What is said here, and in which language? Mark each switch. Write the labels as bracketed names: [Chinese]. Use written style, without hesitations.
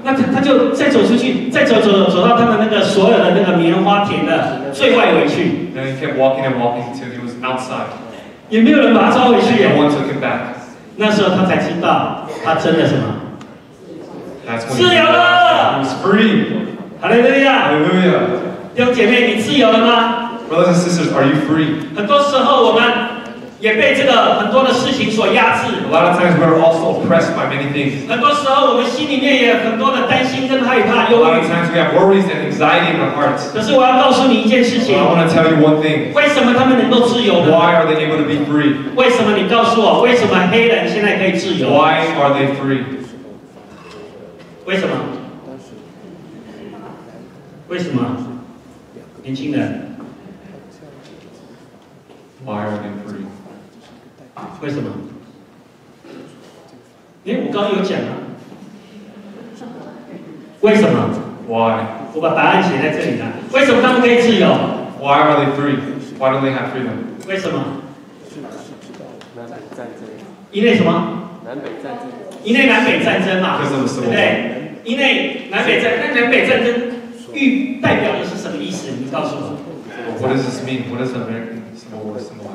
[Chinese] 那他就再走出去，再走走走到他们那个所有的那个棉花田的最外围去。 [English] Then he kept walking and walking until he was outside. [Chinese] 也没有人把他抓回去。 [English] No one took him back. [Chinese] 那时候他才知道，他真的什么？自由了！ [English] He was free. Hallelujah. Hallelujah. [Chinese] 弟兄姐妹，你自由了吗？ [English] Brothers and sisters, are you free? [Chinese] 很多时候我们 也被这个很多的事情所压制。 [English] A lot of times we are also oppressed by many things. [Chinese] 很多时候我们心里面也有很多的担心跟害怕忧虑。 [English] A lot of times we have worries and anxiety in our hearts. [Chinese] 可是我要告诉你一件事情。 [English] But I want to tell you one thing. [Chinese] 为什么他们能够自由呢？ [English] Why are they able to be free? [Chinese] 为什么你告诉我，为什么黑人现在可以自由？ [English] Why are they free? [Chinese] 为什么？为什么？年轻人。 [English] Why are they free? [Chinese] 为什么？哎，我刚刚有讲啊。为什么 [English] ？Why？ [Chinese] 我把答案写在这里了。为什么他们可以自由 [English] ？Why are they free? Why don't they have freedom? [Chinese] 为什么？南北战争。因为什么？南北战争。因为南北战争嘛。对不对？因为南北战争，那南北战争代表的是什么意思？你告诉我。 [English] What does this mean? What does American symbolize?